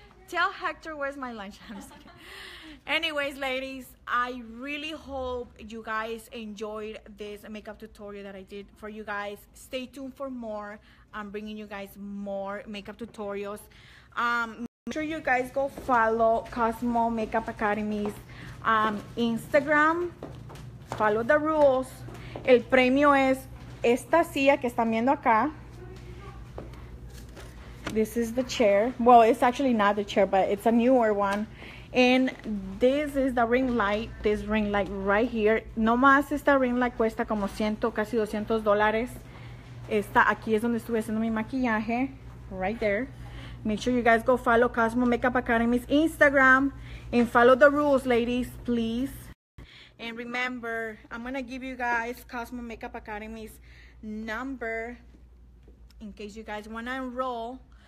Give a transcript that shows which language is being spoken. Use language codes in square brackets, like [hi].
[en] Tell Hector where's my lunch. I'm just kidding. Anyways, ladies, I really hope you guys enjoyed this makeup tutorial that I did for you guys. Stay tuned for more. I'm bringing you guys more makeup tutorials. Make sure you guys go follow Cosmo Makeup Academy's Instagram. Follow the rules. [es] El premio es esta silla que están viendo acá. [en] This is the chair. Well, it's actually not the chair, but it's a newer one. And this is the ring light. This ring light right here. [es] No más esta ring light cuesta como casi $200. Esta aquí es donde estuve haciendo mi maquillaje. [en] Right there. Make sure you guys go follow Cosmo Makeup Academy's Instagram. And follow the rules, ladies, please. And remember, I'm going to give you guys Cosmo Makeup Academy's number in case you guys want to enroll.